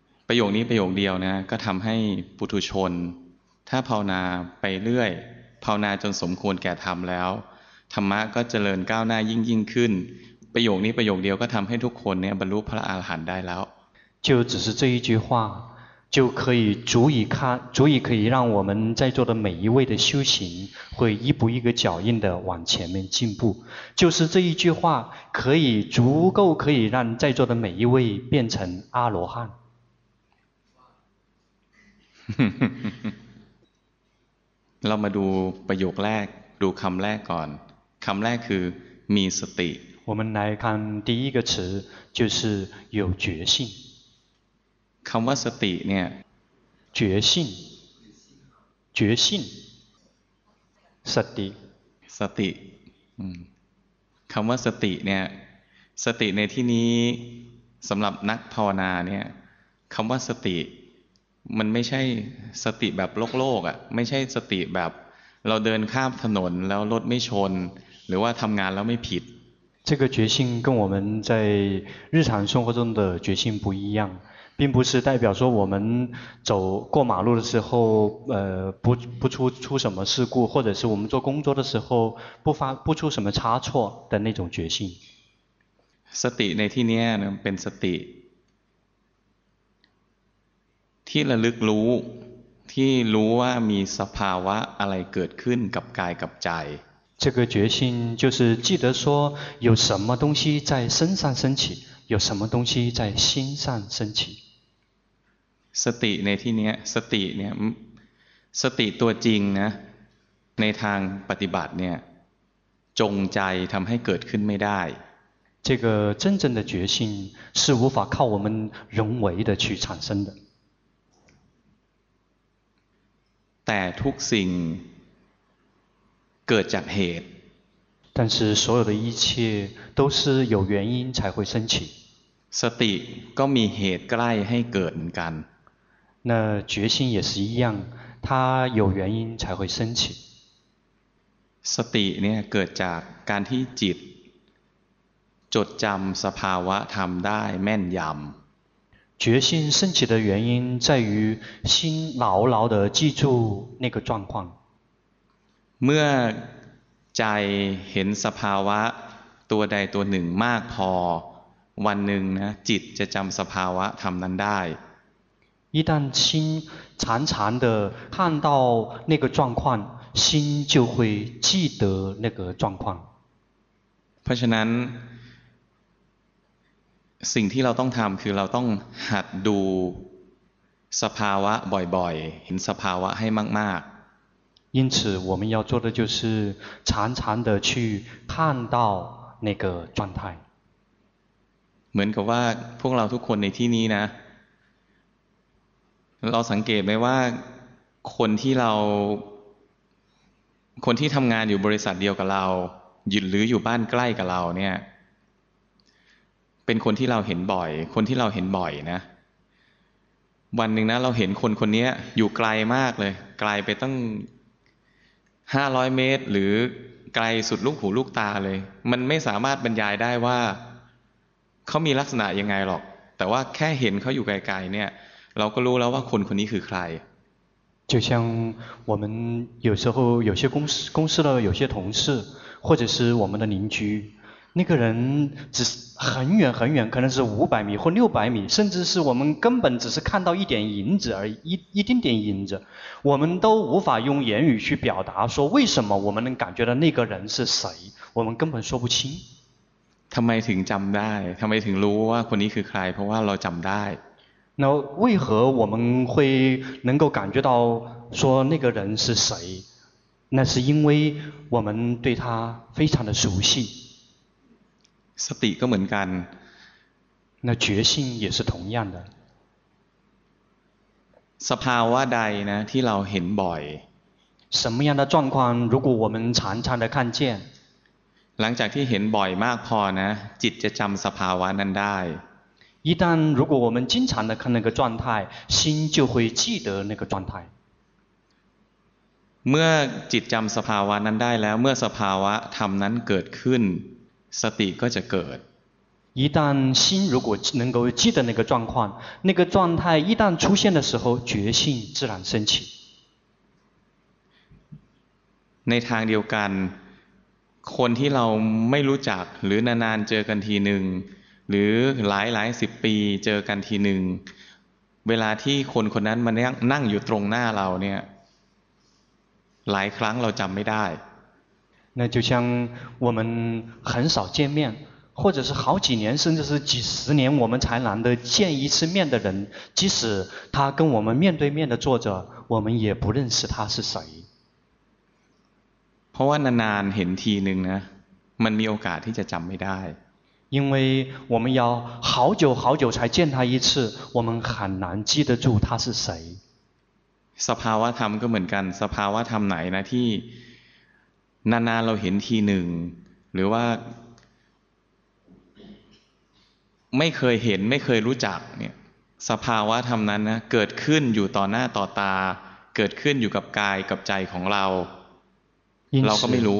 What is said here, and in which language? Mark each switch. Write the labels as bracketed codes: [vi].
[th] ประโยคนี้ประโยคเดียวนะก็ทำให้ปุถุชนถ้าภาวนาไปเรื่อยภาวนาจนสมควรแก่ธรรมแล้วธรรมะก็เจริญก้าวหน้ายิ่งขึ้นประโยคนี้ประโยคเดียวก็ทำให้ทุกคนเนี่ยบรรลุพระอรหันต์ได้แล้ว [zh] 就只是这一句话就可以足以看足以可以让我们在座的每一位的修行会一步一个脚印的往前面进步就是这一句话可以足够可以让在座的每一位变成阿罗汉 [th] เรามาดูประโยคแรกดูคำแรกก่อนคำแรกคือมีสติ [zh] 我们来看第一个词就是有觉性 [th] คำว่าสติเนี่ย [zh] 觉性觉性สติ [th] สติคำว่าสติเนี่ยสติในที่นี้สำหรับนักภาวนาเนี่ยคำว่าสติมันไม่ใช่สติแบบโลกโลกอ่ะไม่ใช่สติแบบเราเดินข้ามถนนแล้วรถไม่ชนหรือว่าทำงานแล้วไม่ผิด [zh] 这个觉性跟我们在日常生活中的觉性不一样并不是代表说我们走过马路的时候不出什么事故或者是我们做工作的时候不出什么差错的那种觉性 [th] สติในที่นี้เป็นสติที่ระลึกรู้ที่รู้ว่ามีสภาวะอะไรเกิดขึ้นกับกายกับใจ [zh] 这个决心就是记得说有什么东西在身上升起有什么东西在心上升起 [th] สติในที่นี้สติเนี่ยสติตัวจริงนะในทางปฏิบัติเนี่ยจงใจทำให้เกิดขึ้นไม่ได้ [zh] 这个真正的决心是无法靠我们人为的去产生的 [th] แต่ทุกสิ่งเกิดจากเหตุ [zh] 但是所有的一切都是有原因才会升起 [th] สติก็มีเหตุใกล้ให้เกิดเหมือนกัน [zh] 那决心也是一样它有原因才会升起 [th] สติเนี่ยเกิดจากการที่จิตจดจำสภาวะธรรมได้แม่นยำ [zh] 决心升起的原因在于心牢牢地记住那个状况 [th] เมื่อ ใจเห็นสภาวะตัวใดตัวหนึ่งมากพอวันหนึ่งนะจิตจะจำสภาวะธรรมนั้นได้ [zh] 一旦心常常的看到那个状况心就会记得那个状况 [th] เพราะฉะนั้นสิ่งที่เราต้องทำคือเราต้องหัดดูสภาวะบ่อยๆเห็นสภาวะให้มากๆ [zh] 因此我们要做的就是常常的去看到那个状态 [th] เหมือนกับว่าพวกเราทุกคนในที่นี้นะเราสังเกตไหมว่าคนที่เราคนที่ทำงานอยู่บริษัทเดียวกับเราหรืออยู่บ้านใกล้กับเราเนี่ย เป็นคนที่เราเห็นบ่อยคนที่เราเห็นบ่อยนะวันหนึ่งนะเราเห็นคนคนนี้อยู่ไกลมากเลยไกลไปตั้ง500เมตรหรือไกลสุดลูกหูลูกตาเลยมันไม่สามารถบรรยายได้ว่าเขามีลักษณะยังไงหรอกแต่ว่าแค่เห็นเขาอยู่ไกลๆเนี่ยเราก็รู้แล้วว่าคนคนนี้คือใคร [zh] 就像我们有时候有些公司的有些同事或者是我们的邻居那个人只是很远很远可能是500米或600米甚至是我们根本只是看到一点影子而已 一点点影子我们都无法用言语去表达说为什么我们能感觉到那个人是谁我们根本说不清 [th] ทำไมถึงจำได้ทำไมถึงรู้ว่าคนนี้คือใครเพราะว่าเราจำได้ [zh] 那为何我们会能够感觉到说那个人是谁那是因为我们对他非常的熟悉 [th] สติก็เหมือนกัน [zh] 那觉性也是同样的 [th] สภาวะใดนะที่เราเห็นบ่อย [zh] 什么样的状况如果我们常常的看见 [th] หลังจากที่เห็นบ่อยมากพอนะจิตจะจำสภาวะนั้นได้ [zh] 一旦如果我们经常的看那个状态心就会记得那个状态 [th] เมื่อจิตจำสภาวะนั้นได้แล้วเมื่อสภาวะธรรมนั้นเกิดขึ้นสติก็จะเกิด [zh] 一旦心如果能够记得那个状况那个状态一旦出现的时候觉性自然升起 [th] ในทางเดียวกันคนที่เราไม่รู้จักหรือนานๆเจอกันทีหนึ่งหรือหลายๆสิบปีเจอกันทีหนึ่งเวลาที่คนคนนั้นมานั่งอยู่ตรงหน้าเราเนี่ยหลายครั้งเราจำไม่ได้ [zh] 那就像我们很少见面或者是好几年甚至是几十年我们才难得见一次面的人即使他跟我们面对面的坐着我们也不认识他是谁 [th] เพราะว่านานๆเห็นทีนึงนะมันมีโอกาสที่จะจำไม่ได้ [zh] 因为我们要好久好久才见他一次我们很难记得住他是谁 [th] สภาวะธรรมก็เหมือนกันสภาวะธรรมไหนนะที่นานๆเราเห็นทีหนึ่งหรือว่าไม่เคยเห็นไม่เคยรู้จักเนี่ยสภาวะธรรมนั้นนะเกิดขึ้นอยู่ต่อหน้าต่อตาเกิดขึ้นอยู่กับกายกับใจของเราเราก็ไม่รู